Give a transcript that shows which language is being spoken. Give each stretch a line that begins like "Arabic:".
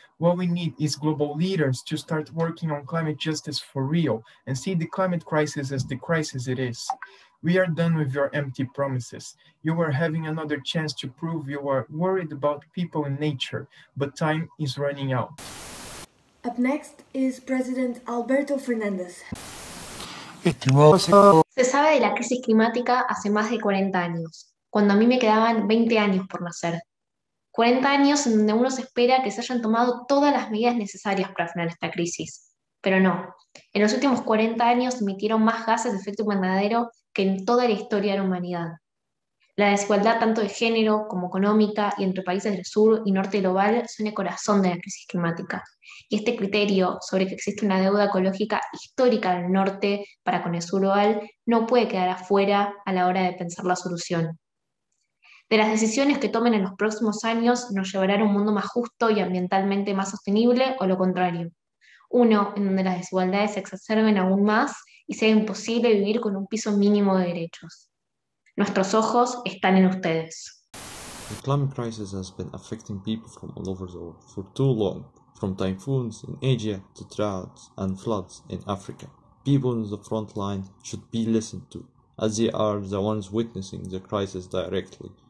English: What we need is global leaders to start working on climate justice for real and see the climate crisis as the crisis it is. We are done with your empty promises. You are having another chance to prove you are worried about people and nature, but time is running out. Up next is President Alberto Fernández.
Spanish: Se sabe de la crisis climática hace más de 40 años, cuando a mí me quedaban 20 años por nacer. 40 años en donde uno se espera que se hayan tomado todas las medidas necesarias para frenar esta crisis. Pero no. En los últimos 40 años se emitieron más gases de efecto invernadero que en toda la historia de la humanidad. La desigualdad tanto de género como económica y entre países del sur y norte global son el corazón de la crisis climática. Y este criterio sobre que existe una deuda ecológica histórica del norte para con el sur global no puede quedar afuera a la hora de pensar la solución. De las decisiones que tomen en los próximos años nos llevará a un mundo más justo y ambientalmente más sostenible o lo contrario. Uno en donde las desigualdades se exacerben aún más y sea imposible vivir con un piso mínimo de derechos. Nuestros ojos están en ustedes.
English: The climate crisis has been affecting people from all over the world for too long, from typhoons in Asia to droughts and floods in Africa. People on the front line should be listened to, as they are the ones witnessing the crisis directly.